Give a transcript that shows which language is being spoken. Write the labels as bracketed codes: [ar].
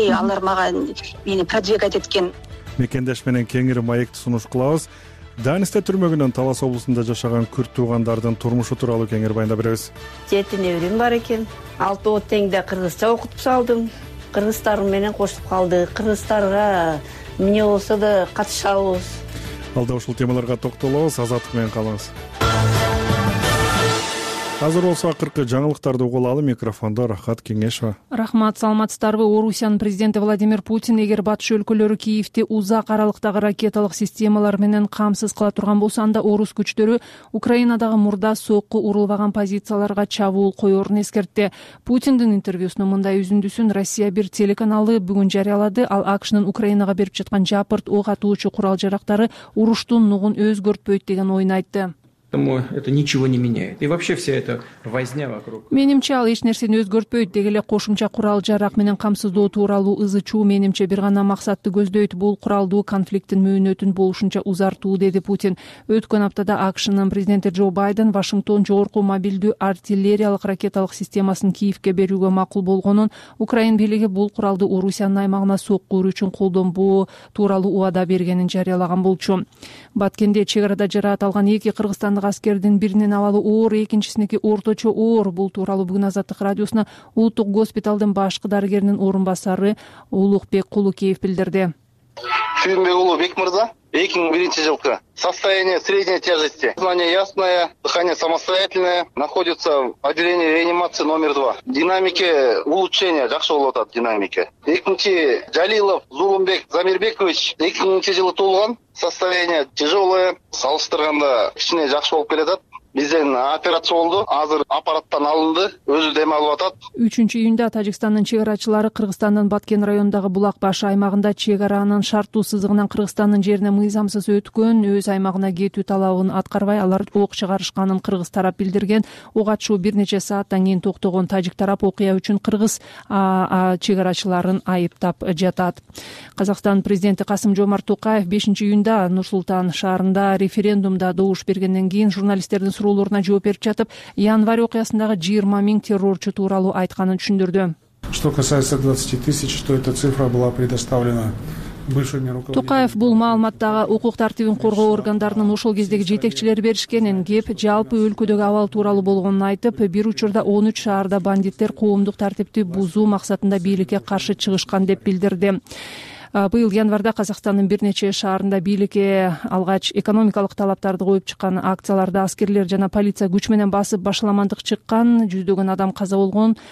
[ky] Алар мага мени продвигать эткен. Мекендеш менен Кеңири маекти сунуш кылабыз. Данисте түрмөгүнөн Талас облусунда жашаган күрт туугандардын турмушу тууралуу кеңири баяндап беребиз. 7 неберем бар экен. 6 оо теңде кыргызча окутуп салдым. Кыргызстар менен кошулуп калды. Кыргызстарга эмне болсо да катышабыз. Алда ушул темаларга токтолобуз. Азаттык менен калыңыз. Азыр болсо акыркы жаңылыктарды угалалы, микрофондо Рахат Кеңешова. Рахмат, саламатсыздарбы. Орусиянын президенти Владимир Путин, эгер батыш өлкөлөрү Киевти узак аралыктагы ракеталык системалар менен камсыз кыла турган болсо, анда орус күчтөрү Украинадагы мурда сокку урулбаган позицияларга чабуул коерун эскертти. Путиндин интервьюсунун мындай үзүндүсүн Россия бир телеканалы бүгүн жарыялады. Ал АКШнын Украинага берип жаткан жапырт ок атуучу курал жарактары уруштун нугун өзгөртпөйт деген оюн айтты. [ru] Поэтому это ничего не меняет. И вообще вся эта возня вокруг. [ky] Менимче ал эч нерсени өзгөртпөйт. Деги эле кошумча курал-жарак менен камсыздоо тууралуу ызы-чуу менимче бир гана максатты көздөйт. Бул куралдуу конфликттин мөөнөтүн болушунча узартуу, деди Путин. Өткөн аптада АКШнын президенти Джо Байден Вашингтон жогорку мобилдүү артиллериялык ракеталык системасын Киевке берүүгө макул болгонун, Украин бийлиги бул куралды Орусиянын аймагына сокку уруу үчүн колдонбоо тууралуу убада бергенин жарыялаган болчу. Баткенде чек арада жараат алган эки кыргыз Кыргызстандык аскердин биринин абалы оор, экинчисиники орточо оор. Бул тууралуу бүгүн Азаттык радиосуна улуттук госпиталдын башкы дарыгеринин орун басары Улукбек Кулукеев билдирди. Фирме Улукбек мырза, 2001 жылкы. [ru] Состояние средней тяжести. Дыхание ясное, дыхание самостоятельное. Находится в отделении реанимации номер 2. Динамики улучшения, [ky] жакшы болуп атат [ru] динамики. [ky] Экинчи Жалилов Зулумбек Замирбекович, 2000 жылы туулган. [ru] Состояние тяжелое, [ky] салыштырганда кичине жакшы болуп келатат. Бизден операция болду, азыр аппараттан алынды, өзү дем алып атат. 3-июнда Тажикстандын чек арачылары Кыргызстандын Баткен райондагы Булак башы аймагында чек аранын шарттуу сызыгынан Кыргызстандын жерине мыйзамсыз өткөн, өз аймагына кетүү талабын аткарбай, алар ок чыгарышканын кыргыз тарап билдирген. Ок атышуу бир нече сааттан кийин токтогон. Тажик тарап окуя үчүн кыргыз чек арачыларын айыптап жатат. Казакстан президенти Касым Жомарт Токаев 5-июнда Нур-Султан шаарында референдумда добуш бергенден кийин журналисттердин суроолоруна жооп берип жатып, январь окуясындагы 20,000 террорчу тууралуу айтканын түшүндүрдү. [ru] Что касается 20,000, то эта цифра была предоставлена. [ky] Токаев бул маалыматтагы укук тартибин коргоо органдарынын ошол кездеги жетекчилери беришкенин, кеп жалпы өлкөдөгү абал тууралуу болгонун айтып, бир учурда 13 шаарда бандиттер коомдук тартипти бузуу максатында бийликке каршы чыгышкан деп билдирди. Быйыл январда Казакстандын бир нече шаарында бийликке алгач экономикалык талаптарды коюп чыккан акцияларда аскерлер жана полиция күч менен басып башаламандык чыккан, жүздөгөн адам каза болгон.